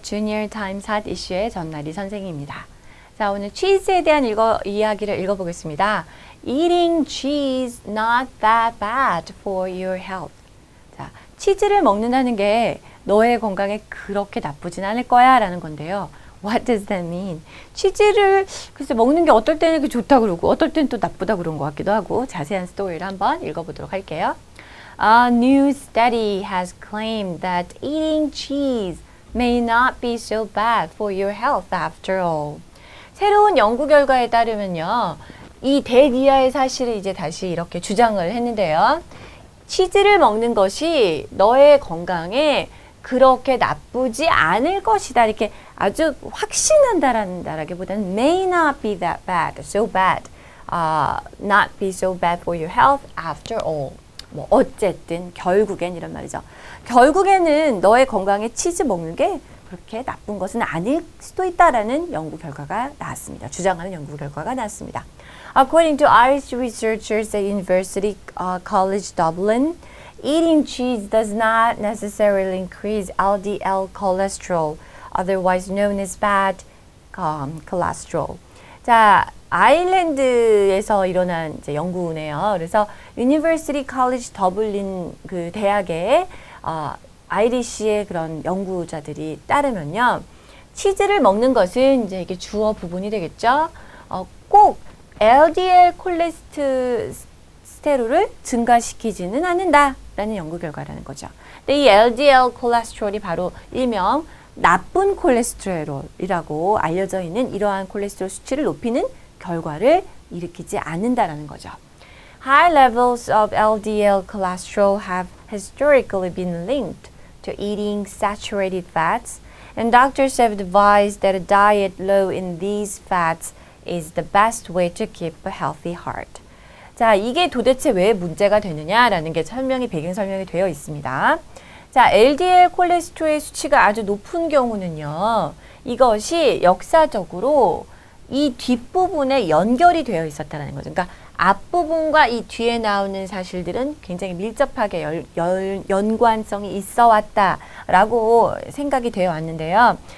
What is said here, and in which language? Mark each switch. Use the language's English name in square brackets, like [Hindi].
[Korean] 주니어타임즈 핫 이슈의 전나리 선생님입니다. 자, 오늘 cheese에 대한 이야기를 읽어보겠습니다. [English] Eating cheese not that bad for your health. [Korean] 자, 치즈를 먹는다는 게 너의 건강에 그렇게 나쁘진 않을 거야 라는 건데요. [English] What does that mean? [Korean] 치즈를 글쎄 먹는 게 어떨 때는 좋다 그러고 어떨 때는 또 나쁘다 그런 것 같기도 하고 자세한 스토리를 한번 읽어보도록 할게요. [English] A new study has claimed that eating cheese may not be so bad for your health after all. [Korean] 새로운 연구 결과에 따르면요. 이 대기하의 사실을 이제 다시 이렇게 주장을 했는데요. 치즈를 먹는 것이 너의 건강에 그렇게 나쁘지 않을 것이다. 이렇게 아주 확신한다라기보다는 [English] may not be that bad, so bad. Not be so bad for your health after all. [Korean] 뭐 어쨌든 결국엔 이런 말이죠. 결국에는 너의 건강에 치즈 먹는 게 그렇게 나쁜 것은 아닐 수도 있다라는 연구 결과가 나왔습니다. 주장하는 연구 결과가 나왔습니다. [English] According to Irish researchers at University College Dublin, eating cheese does not necessarily increase LDL cholesterol, otherwise known as bad cholesterol. [Korean] 자, 아일랜드에서 일어난 이제 연구네요. 그래서 University College Dublin 그 대학의 아이리시의 그런 연구자들이 따르면요. 치즈를 먹는 것은 이제 이게 주어 부분이 되겠죠. 꼭 LDL 콜레스테롤을 증가시키지는 않는다라는 연구 결과라는 거죠. 근데 이 LDL 콜레스테롤이 바로 일명 나쁜 콜레스테롤이라고 알려져 있는 이러한 콜레스테롤 수치를 높이는 결과를 일으키지 않는다라는 거죠. [English] High levels of LDL cholesterol have historically been linked to eating saturated fats, and doctors have advised that a diet low in these fats is the best way to keep a healthy heart. [Korean] 자, 이게 도대체 왜 문제가 되느냐라는 게 설명이 배경 설명이 되어 있습니다. 자, LDL 콜레스테롤의 수치가 아주 높은 경우는요. 이것이 역사적으로 이 뒷부분에 연결이 되어 있었다는 거죠. 그러니까 앞부분과 이 뒤에 나오는 사실들은 굉장히 밀접하게 연관성이 있어 왔다라고 생각이 되어 왔는데요.